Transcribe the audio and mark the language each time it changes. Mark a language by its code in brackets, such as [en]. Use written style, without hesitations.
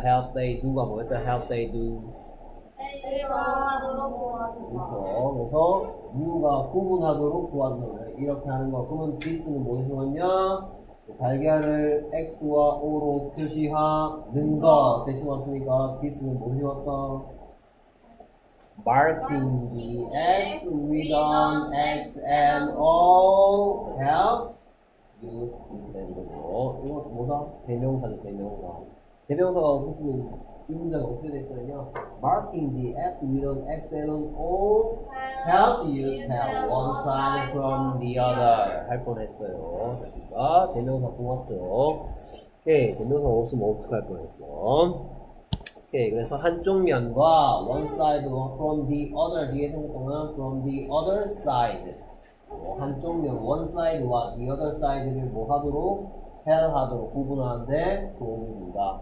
[en] Help A do가 뭐였죠? Help A do. [ko] A를 구분하도록 구하는 거. 그래서 누가 구분하도록 구하는 거. 이렇게 하는 거. 그러면 this는 뭐 해주었냐? 달걀을 X와 O로 표시하는 것. 대신 왔으니까 this는 뭐 해주었다? [en] Marking the X with an X and O helps you. [ko] 이거 뭐다? 대명사죠, 대명사. 대명사가 무슨, 이 문장이 어떻게 됐거든요? [en] Marking the X with an X and an O helps you tell one side from the other. [ko] 할 뻔했어요. 됐습니까? 대명사 고맙죠. 오케이, 대명사 없으면 어떻게 할 뻔했어. 오케이, 그래서 한쪽 면과 [en] one side from the other [ko] 뒤에 생각하면 [en] from the other side [ko] 한쪽 면 [en] one side [ko] 와 [en] the other side [ko] 를 뭐 하도록 tell 하도록 구분하는데 도움입니다.